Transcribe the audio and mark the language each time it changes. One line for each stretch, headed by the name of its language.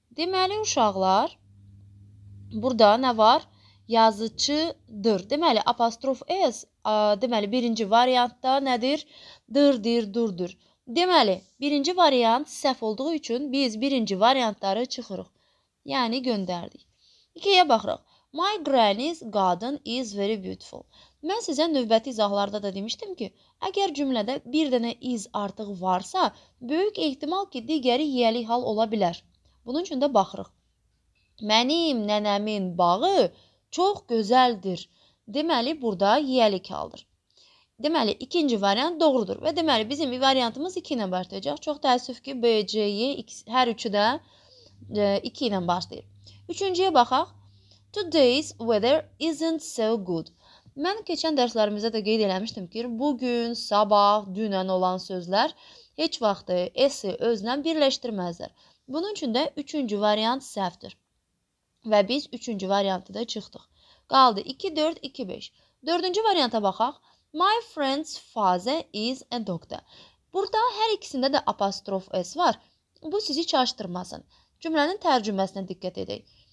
Azerbaijani: Deməli, uşaqlar, burada nə var? Yazıçıdır. Deməli, apostrof S, deməli, birinci variantda nədir? Dırdır, durdur. Deməli, birinci variant səhv olduğu üçün biz birinci variantları çıxırıq. Yəni, göndərdik. İkiyə baxırıq.
English: My granny's garden is very beautiful.
Azerbaijani: Mən sizə növbəti izahlarda da demişdim ki, əgər cümlədə bir dənə is artıq varsa, böyük ehtimal ki, digəri yiyəlik hal ola bilər. Bunun üçün də baxırıq. Mənim nənəmin bağı çox gözəldir. Deməli, burada yiyəlik haldır. Deməli, ikinci variant doğrudur. Və deməli, bizim bir variantımız 2 ilə başlayacaq. Çox təəssüf ki, B, C, Y, hər üçü də 2 ilə başlayır. Üçüncüyə baxaq.
English: Today's weather isn't so good.
Azerbaijani: Mən keçən dərslərimizə də qeyd eləmişdim ki, bugün, sabah, dünən olan sözlər heç vaxtı S-i özlə birləşdirməzlər. Bunun üçün də üçüncü variant səhvdir. Və biz üçüncü variantı da çıxdıq. Qaldı 2, 4, 2, 5. Dördüncü varianta baxaq.
English: My friend's father is a doctor.
Azerbaijani: Burada hər ikisində də apostrof S var. Bu sizi çaşdırmasın. Cümlənin tərcüməsinə diqqət edək.